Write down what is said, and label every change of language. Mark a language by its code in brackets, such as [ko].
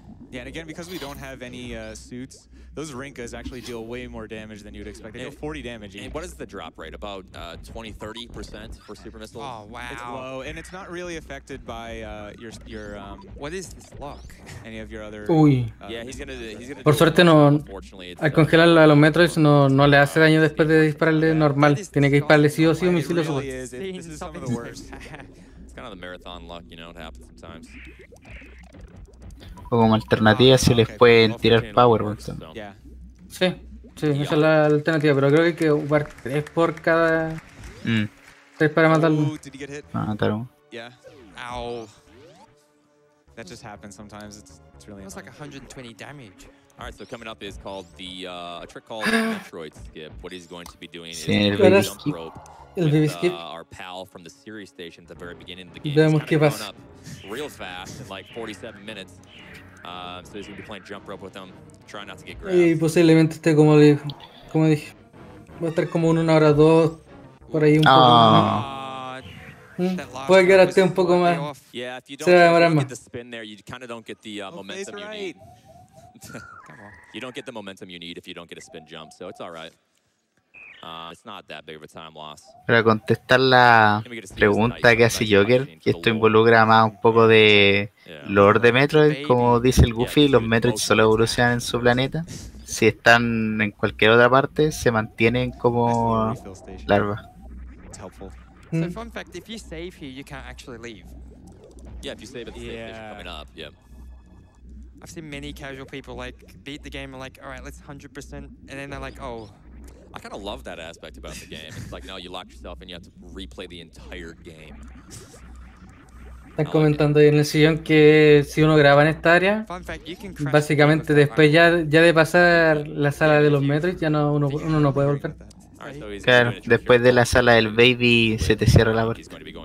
[en] Yeah, and again because we don't have any suits, those Rinkas actually deal way more damage than you'd expect. They deal 40 damage. And what is the drop rate? About 20-30% for super missiles. Oh wow. It's low, and it's not really affected by your what is this lock? Any of your other? Uy. Yeah, he's gonna. [es] Por suerte no. Al congelar a los metros no le hace daño después de dispararle normal. Tiene que dispararle sí o sí un misil o super. [en] It's kind of the marathon luck, you know, it happens sometimes. [es] O como alternativa si les pueden tirar power bolts. Sí, sí, esa es la alternativa, pero creo que hay que jugar 3 por cada. 3 para matarlo. Ah, claro. [en] Yeah. Ow. That just happens sometimes. It's really like 120 damage. All right, so coming up is called the a trick called Metroid skip. What he's going to be doing is [es] el baby skip. [en] Our pal from the series station at the very beginning of the game. [es] Vemos qué pasa. [en] Real fast in like 47 minutes. So he's gonna be playing jump rope with them, trying not to get grabbed. [es] Y posiblemente esté como dije, va a estar como una hora dos por ahí un poco. Puede que esté un poco más. [en] Yeah, if you don't get the spin there, you kind of don't get the momentum you need. You don't get the momentum you need if you don't get a spin jump, so it's all right. It's not that big of a time loss. [es] Para contestar la pregunta que hace Joker, que esto involucra más un poco de lore de Metroid, como dice el Goofy, los Metroids solo evolucionan en su planeta. si están en cualquier otra parte, se mantienen como larvas. [en] So fun fact, if you save here, you can't actually leave. Yeah, if you save at the same station coming up, yeah. I've seen many casual people like beat the game and like, all right, let's 100%, and then they're like, oh. I kind of love that aspect about the game. It's like, no, you locked yourself and you have to replay the entire game. [es] Están comentando ahí en el sillón que si uno graba en esta área, básicamente después ya de pasar la sala de los metros, ya no uno no puede volver. Claro, después de la sala del baby se te cierra la puerta.